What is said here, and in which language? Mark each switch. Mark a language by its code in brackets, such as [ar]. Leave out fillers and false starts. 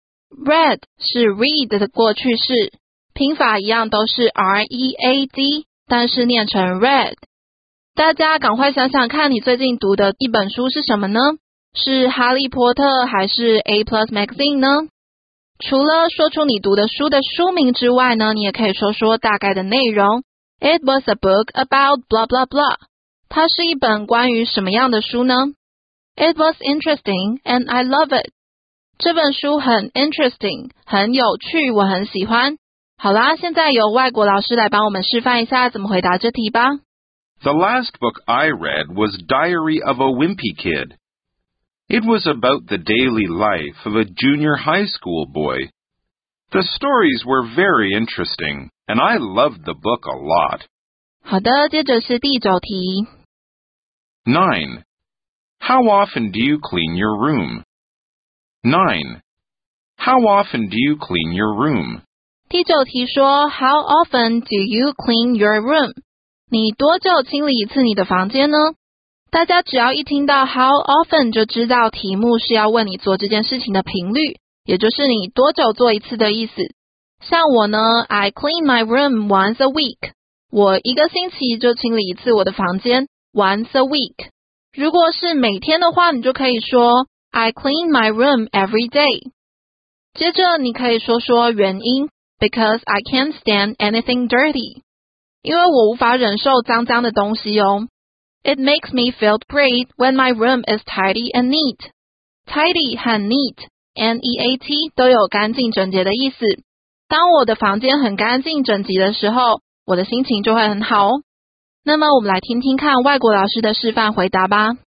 [zh] Read 是 read 的过去式，拼法一样都是 READ， 但是念成 read。大家赶快想想看，你最近读的一本书是什么呢？是《哈利波特》还是《A Plus Magazine》呢？除了说出你读的书的书名之外呢，你也可以说说大概的内容。 [en] It was a book about blah blah blah。 [zh] 它是一本关于什么样的书呢 ？ [en] It was interesting and I love it。 [zh] 这本书很 interesting， 很有趣，我很喜欢。好啦，现在由外国老师来帮我们示范一下怎么回答这题吧。 [en] The last book I read was Diary of a Wimpy Kid. It was about the daily life of a junior high school boy. The stories were very interesting, and I loved the book a lot. [zh] 好的，接着是第九题。 [en] 9. How often do you clean your room? 9. How often do you clean your room? [zh] 第九题说 [en] How often do you clean your room? [zh] 你多久清理一次你的房间呢？大家只要一听到 how often 就知道题目是要问你做这件事情的频率，也就是你多久做一次的意思。像我呢， [en] I clean my room once a week， [zh] 我一个星期就清理一次我的房间， once a week。如果是每天的话，你就可以说 [en] I clean my room every day。 [zh] 接着你可以说说原因， [en] because I can't stand anything dirty， [zh] 因为我无法忍受脏脏的东西哦。 [en] It makes me feel great when my room is tidy and neat. [zh] Tidy 和 neat, N-E-A-T, 都有干净整洁的意思。当我的房间很干净整洁的时候，我的心情就会很好哦。那么我们来听听看外国老师的示范回答吧。